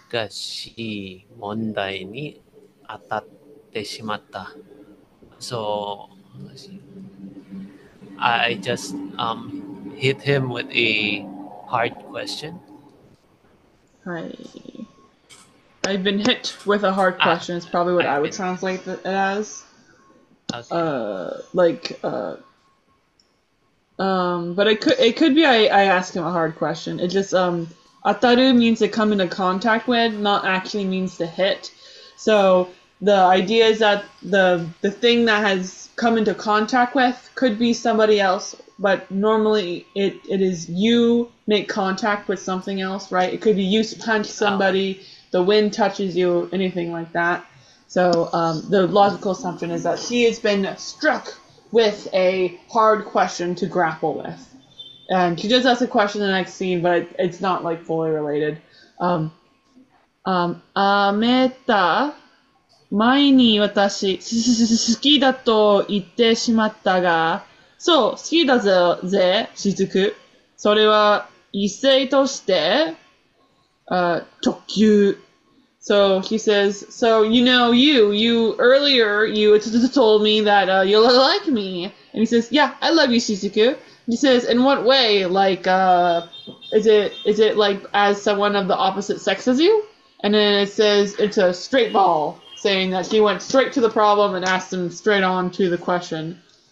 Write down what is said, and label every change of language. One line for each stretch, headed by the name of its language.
Japanese: しい問題に当たってしまった。
English: So, I just hit him with a hard question. I've been hit with a hard question. It's probably what I would translate it as. Okay. But it could be I ask him a hard question. It just ataru means to come into contact with, not actually means to hit. So. The idea is that the thing that has come into contact with could be somebody else, but normally it is you make contact with something else, right? It could be you punch somebody, the wind touches you, anything like that. So the logical assumption is that she has been struck with a hard question to grapple with. And she just asks a question in the next scene, but it's not like fully related. Ameta...
Japanese: 前に私、好きだと言ってしまったが、そう、好きだぜ、しずく。それは、異性として、直球。
English: So, he says, so, you know, you earlier told me that, you'll like me. And he says, yeah, I love you, しずく。He says, in what way? Like, is it like, as someone of the opposite sex as you? And then it says, it's a straight ball. Saying that he went straight to the problem and asked him straight on to the question.